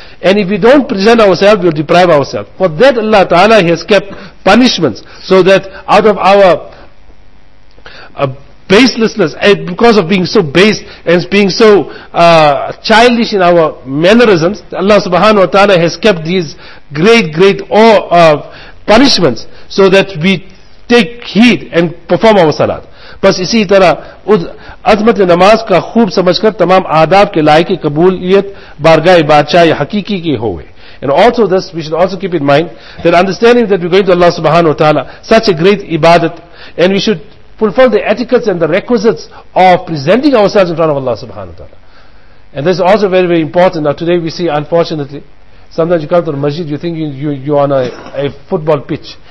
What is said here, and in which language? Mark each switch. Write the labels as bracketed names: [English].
[English] And if we don't present ourselves, we'll deprive ourselves. For that Allah Ta'ala has kept punishments, so that out of our baselessness, because of being so base and being so childish in our mannerisms, Allah subhanahu wa ta'ala has kept these great, great punishments, so that we take heed and perform our salat. [Urdu] بس اسی طرح عظمت نماز کا خوب سمجھ کر تمام آداب کے لائق قبولیت بارگاہ بادشاہ حقیقی کے ہوئے. [English] And also this, we should also keep in mind that understanding that we're going to Allah subhanahu wa ta'ala, such a great ibadat, and we should fulfill the etiquettes and the requisites of presenting ourselves in front of Allah subhanahu wa ta'ala. And this is also very, very important. Now today we see, unfortunately, sometimes you come to the masjid, you think you're on a football pitch.